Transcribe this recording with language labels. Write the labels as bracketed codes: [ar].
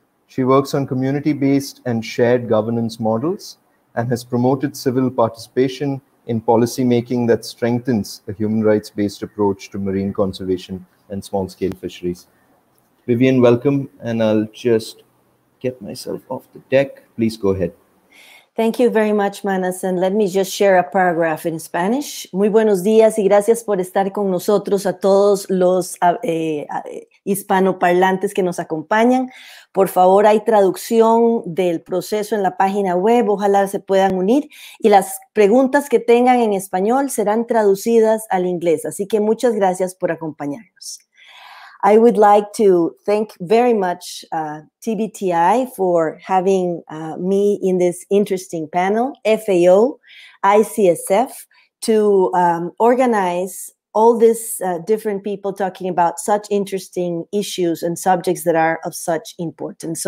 [en] She works on community-based and shared governance models and has promoted civil participation in policymaking that strengthens a human rights-based approach to marine conservation and small-scale fisheries. Vivian, welcome, and I'll just get myself off the deck. Please go ahead. Thank you very much, Manas, and let me just share a paragraph in Spanish. [es] Muy buenos días y gracias por estar con nosotros a todos los hispanoparlantes que nos acompañan. Por favor, hay traducción del proceso en la página web, ojalá se puedan unir. Y las preguntas que tengan en español serán traducidas al inglés, así que muchas gracias por acompañarnos. [en] I would like to thank very much TBTI for having me in this interesting panel, FAO, ICSF, to organize all these different people talking about such interesting issues and subjects that are of such importance.